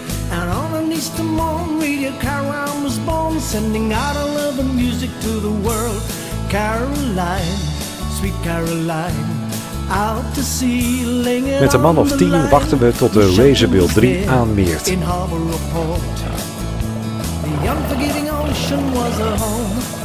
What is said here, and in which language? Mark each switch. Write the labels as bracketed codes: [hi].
[en] And underneath the moon, Radio Caroline was born, sending out a love and music to the world. Caroline, sweet Caroline, out to sea, laying it. [nl] Met een man of 10 wachten we tot de Razorbill 3 aanmeert. [en] In Harbor of Port, the unforgiving ocean was her home.